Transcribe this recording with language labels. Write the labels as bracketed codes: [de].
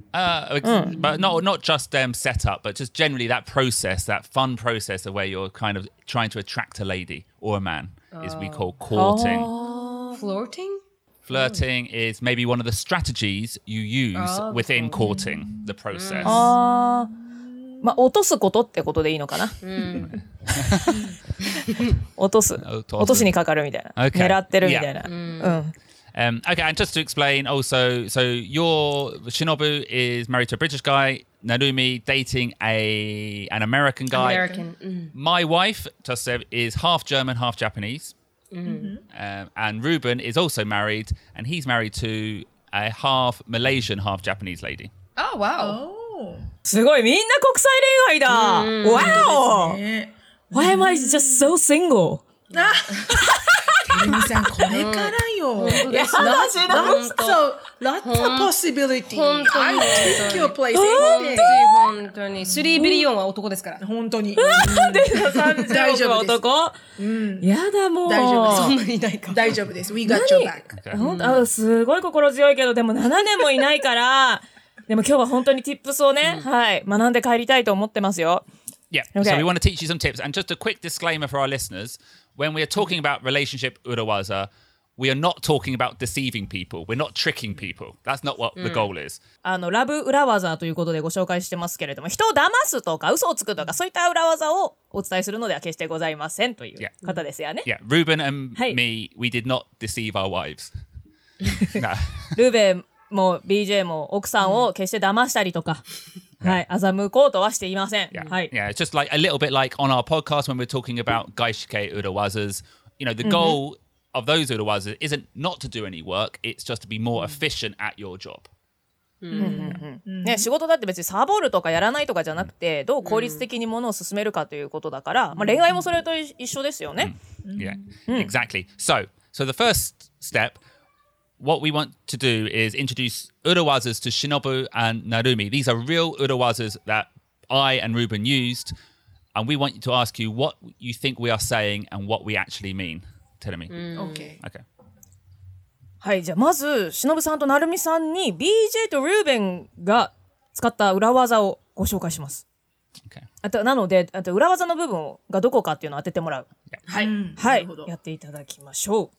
[en] But not just them set up, but just generally that process, that fun process of where you're kind of trying to attract a lady or a man is we call courting. Flirting is maybe one of the strategies you use within courting the process. [ja] まあ落とすことってことでいいのかな。落とすにかかるみたいな。 [en] Okay. [ja] 狙ってるみたいな。 [en] Okay, and just to explain also, so your Shinobu is married to a British guy, Narumi dating an American guy. My wife, Tose, is half German, half Japanese. And Ruben is also married, and he's married to a half Malaysian, half Japanese lady. Oh, wow. [ja] すごい、みんな国際恋愛だ。 [en] Wow! Why am I just so single? [ja] Kenny-san, これからよ。 [en] Yeah, that's so, lots of possibility. I think your place is empty. [ja] 本当に。スリービリオンは男ですから。本当に。データ30億は男。やだもう。大丈夫です。そんなにいないか。大丈夫です。 [en] We got your back. [ja] 本当、すごい心強いけど、でも7年もいないから、でも今日は本当にティップスをね、はい、学んで帰りたいと思ってますよ。 [en] Yeah. Okay. So we want to teach you some tips. And just a quick disclaimer for our listeners, when we are talking about relationship urawaza, we are not talking about deceiving people. We're not tricking people. That's not what the goal is. [ja] あの、ラブ裏技ということでご紹介してますけれども、人を騙すとか嘘をつくとか、そういった裏技をお伝えするのでは決してございませんという方ですよね。 [en] Yeah. Ruben and me, we did not deceive our wives. [ja] ルーベンも BJ も奥さんを決して騙したりとか、はい、欺こうとはしていません。 [en] Yeah. [ja] はい。 [en] Yeah, it's just like a little bit like on our podcast when we're talking about gaishike urawazas. You know, the goal... of those urawaza isn't not to do any work, it's just to be more efficient at your job. [ja] ね、仕事だって別にサボるとかやらないとかじゃなくて、どう効率的にものを進めるかということだから、まあ、恋愛もそれと一緒ですよね。 [en] Yeah, exactly. So the first step, what we want to do is introduce urawazas to Shinobu and Narumi. These are real urawazas that I and Ruben used, and we want to ask you what you think we are saying and what we actually mean. Tell me. Okay. Okay. [ja] はい、じゃあまず忍さんと成美さんに BJ とルーベンが使った裏技をご紹介します。 [en] Okay. [ja] あとなのであと裏技の部分がどこかっていうのを当ててもらう。はい。はい。やっていただきましょう。